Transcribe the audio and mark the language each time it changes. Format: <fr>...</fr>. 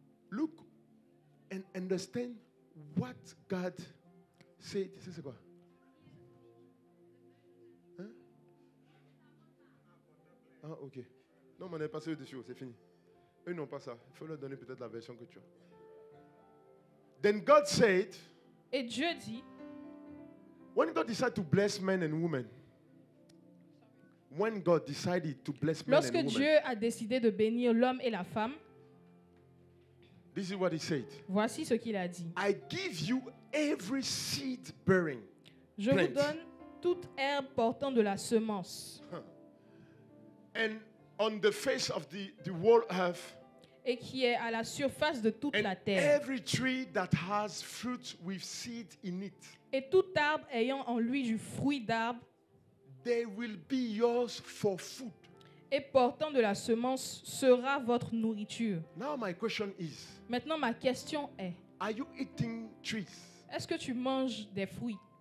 <en>look and understand what God said.</en> <fr>C'est quoi? Ah, ok. Non, mais on est passé au-dessus, c'est fini. Eux n'ont pas ça. Il faut leur donner peut-être la version que tu as.</fr> <en>Then God said,</en> <fr>et Dieu dit,</fr> <en>when God decided to bless men and women, when God decided to bless men and women,</en> <fr>lorsque Dieu a décidé de bénir l'homme et la femme,</fr> <en>this is what he said.</en> <fr>Voici ce qu'il a dit.</fr> <en>I give you every seed bearing plant.</en> <fr>Je vous donne toute herbe portant de la semence.</fr> <en>And on the face of the whole earth.</en> <fr>Et qui est à la surface de toute la terre.</fr> <en>And every tree that has fruit with seed in it.</en> <fr>Et tout arbre ayant en lui du fruit d'arbre.</fr> <en>They will be yours for food.</en> <fr>Et portant de la semence sera votre nourriture.</fr> <en>Now my question is.</en> <fr>Maintenant ma question est.</fr> <en>Are you eating trees?</en> <fr>Est-ce que tu manges des fruits?</fr>